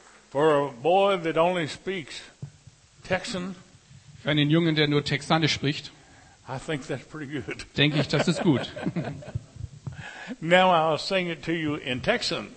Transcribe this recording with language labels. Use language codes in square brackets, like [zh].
[en] For a boy that only speaks Texan, [de] für einen Jungen, der nur Texanisch spricht, [en] I think that's pretty good. [de] Denke ich, das ist gut. [en] Now I'll sing it to you in Texan.